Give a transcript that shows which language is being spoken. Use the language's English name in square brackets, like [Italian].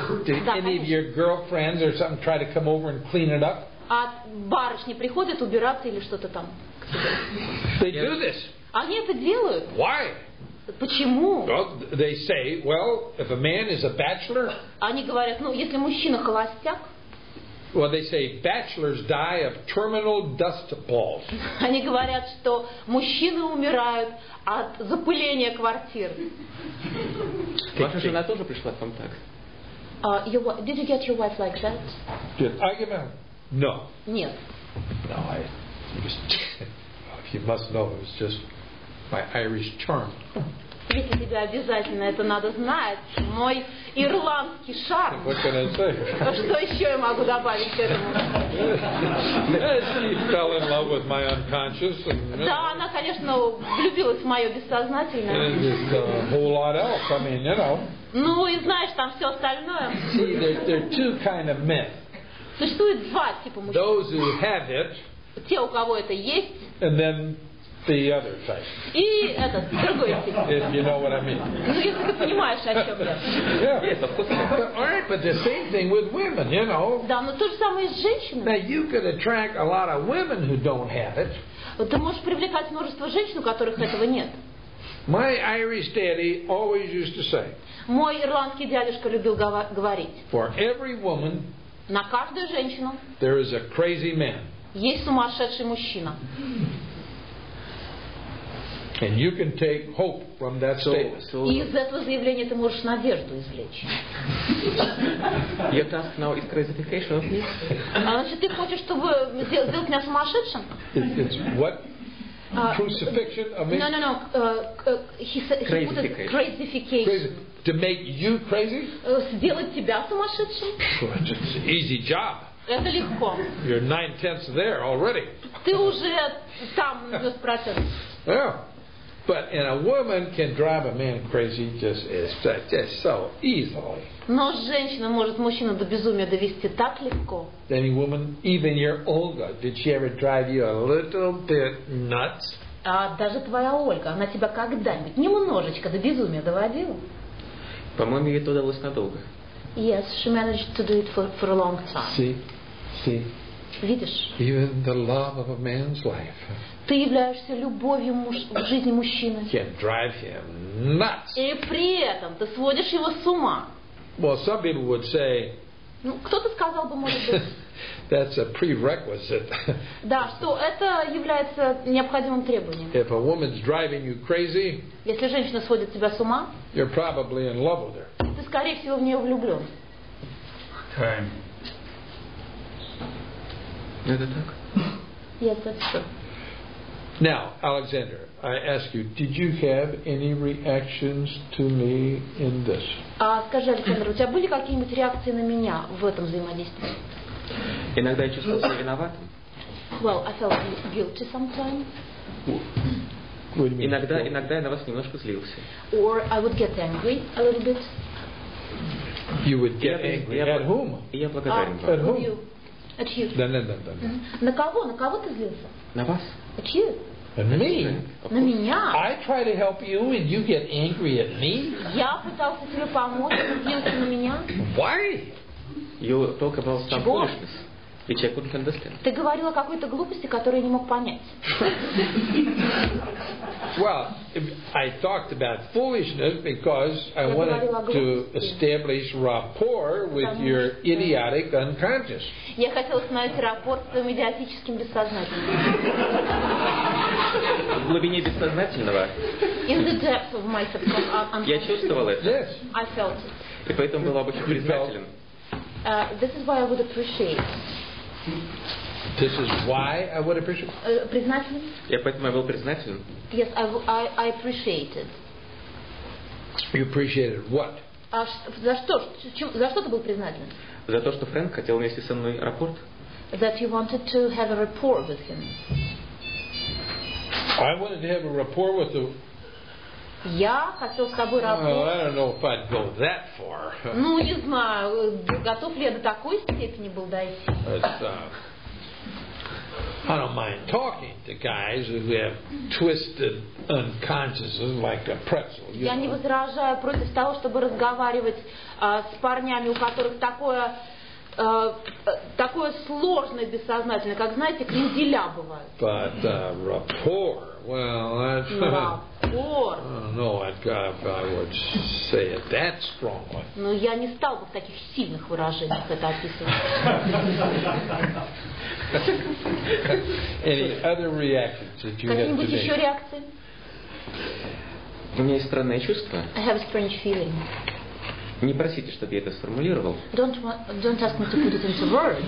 [English] Did any of your girlfriends or something try to come over and clean it up? [Russian] А барышни приходят убираться или что-то там? [English] They do this. [Russian] Они это делают? [English] Why? [Russian] Почему? [English] Well, they say, well, if a man is a bachelor. [Russian] Они говорят, ну если мужчина холостяк. [English] Well, they say bachelors die of terminal dust balls. [Russian] Они говорят, что мужчины умирают от запыления квартир. Ваша жена тоже пришла там так? [English] Did you get your wife like that? Did I get her? No. [Russian] Нет. [English] No, I just, you must know, it was just my Irish charm. [Russian] Видите, тебе обязательно это надо знать. Мой ирландский шарм. [English] What can I say? [Russian] Что еще я могу добавить к этому? [English] She fell in love with my unconscious. [Russian] Да, она, конечно, влюбилась в мое бессознательное. [English] And a whole lot else. I mean, you know. [Russian] Ну и знаешь, там все остальное. [English] See, there are two kind of men. [Russian] Существует два типа мужчин. [English] Those who have it. [Russian] Те, у кого это есть. [English] And then the other type. [Russian] И этот другой тип. [English] If you know what I mean. [Russian] Ну если ты понимаешь, о чем я. [English] Yeah. But, all right, but the same thing with women, you know. [Russian] Да, но то же самое с женщинами. [English] Now you could attract a lot of women who don't have it. [Russian] Ты можешь привлекать множество женщин, у которых этого нет. [English] My Irish daddy always used to say. [Russian] Мой ирландский дядюшка любил говорить. [English] For every woman. [Russian] На каждую женщину. [English] There is a crazy man. [Russian] Есть сумасшедший мужчина. [English] And you can take hope from that statement. [Russian] И из этого заявления ты можешь надежду извлечь. [English] Your task now is crucification of me. [Russian] А значит, ты хочешь, чтобы сделать меня сумасшедшим? [English] It's what? Crucifixion of me? No. Crucification. To make you crazy? [Russian] Сделать тебя сумасшедшим? [English] It's an easy job. [Russian] Это легко. [English] You're 9/10 there already. [Russian] Ты уже там 90%. [English] Yeah. But and a woman can drive a man crazy just so easily. [Russian] Но женщина может мужчину до безумия довести так легко. [English] Any woman, even your Olga, did she ever drive you a little bit nuts? [Russian] А даже твоя Ольга, она тебя когда-нибудь немножечко до безумия доводила? По-моему, ей это удалось надолго. [English] Yes, she managed to do it for a long time. See. [Russian] Видишь? [English] Even the love of a man's life. [Russian] Ты являешься любовью в жизни мужчины. [English] Can drive him nuts. [Russian] И при этом ты сводишь его с ума. [English] Well, some people would say. [Russian] Ну, кто-то сказал бы, может быть. [English] That's a prerequisite. [Russian] Да, что это является необходимым требованием. [English] If a woman's driving you crazy. [Russian] Если женщина сводит тебя с ума. [English] You're probably in love with her. [Russian] Ты скорее всего в нее влюблен. [English] Time. [Russian] Это так? [English] Yes, that's true. Now, Alexander, I ask you, did you have any reactions to me in this? [Russian] Скажи, Александр, у тебя были какие-нибудь реакции на меня в этом взаимодействии? Иногда я чувствовал себя виноватым. [English] Well, I felt guilty sometimes. [Russian] Иногда я на вас немножко злился. [English] Or I would get angry a little bit. You would get angry at whom? [Russian] Я благодарен вам. [English] At whom? At you. [Russian] Да. Mm-hmm. На кого ты злился? На вас. [English] At you. And me. [Russian] На меня. [English] I try to help you and you get angry at me. [Russian] Я пытался тебе помочь, ты злился на меня. [English] Why? You talk about some foolishness, which I couldn't understand. [Russian] Ты говорил о какой-то глупости, которую я не мог понять. [English] Well, I talked about foolishness because I wanted to establish rapport with your idiotic unconscious. [Russian] Я хотел установить рапорт с твоим идиотическим бессознательным. В глубине бессознательного. [English] In the depth of my subconscious. [Russian] Я чувствовал это. [English] Yes. I felt it. [Russian] И поэтому был бы очень признателен. [English] This is why I would appreciate. This is why I would appreciate. [Russian] Признателен. Я поэтому был признателен. [English] Yes, I appreciated. You appreciated what? [Russian] За что ты был признателен? За то, что Фрэнк хотел вместе со мной рапорт. [English] That you wanted to have a rapport with him. I wanted to have a rapport with him. [Russian] Я хотел с тобой рапорт. [English] I don't know if I'd go that far. [Russian] Ну, не знаю, готов ли я до такой степени был дойти. [English] I don't mind talking to guys who have twisted unconsciousness like a pretzel. [Russian] Я не возражаю против того, чтобы разговаривать с парнями, у которых такое сложное бессознательное, как, знаете, кренделя бывают. [English] But rapport, well, that's... Rapport. I don't know, I would say it that strongly. [Russian] Ну, я не стал бы в таких сильных выражениях это описывать. [English] Any other reactions that you [Russian] Как-нибудь [English] have today? [Russian] Еще реакции? У меня есть странное чувство. [English] I have a strange feeling. [Russian] Не просите, чтобы я это сформулировал. [English] Don't ask me to put it into words.